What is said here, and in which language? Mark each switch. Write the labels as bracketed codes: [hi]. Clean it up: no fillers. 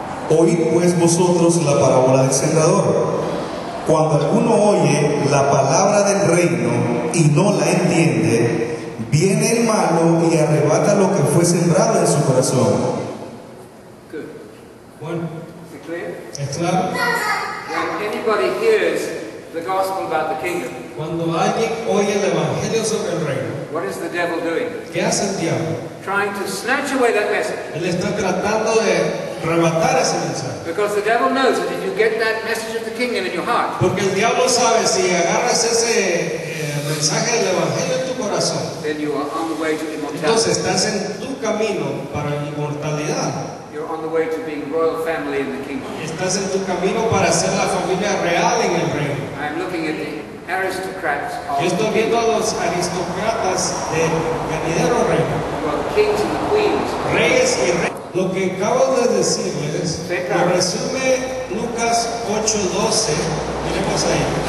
[es] Oíd pues vosotros la parábola del sembrador. Cuando alguno oye la palabra del reino y no la entiende, viene el malo y arrebata lo que fue sembrado en su corazón. [en] Good. [es] Bueno. ¿Es claro? ¿Es claro? [en] When anybody hears the gospel about the kingdom, [es] cuando alguien oye el evangelio sobre el reino, [en] what is the devil doing? [es] ¿Qué hace el diablo? [en] Trying to snatch away that message. [es] Él está tratando de rematar ese mensaje. [en] Because the devil knows that if you get that message of the kingdom in your heart, [es] porque el diablo sabe si agarras ese mensaje del evangelio en tu corazón, [en] then you are on the way to immortality. [es] Entonces estás en tu camino para la inmortalidad. [en] You're on the way to being royal family in the kingdom. [es] Estás en tu camino para ser la familia real en el reino. [en] I'm looking at the aristocrats of. [es] Yo estoy viendo a los aristócratas del venidero reino. [en] Well, kings and queens. [es] Reyes y reyes. Lo que acabo de decirles, lo resume Lucas 8:12. Miremos ahí.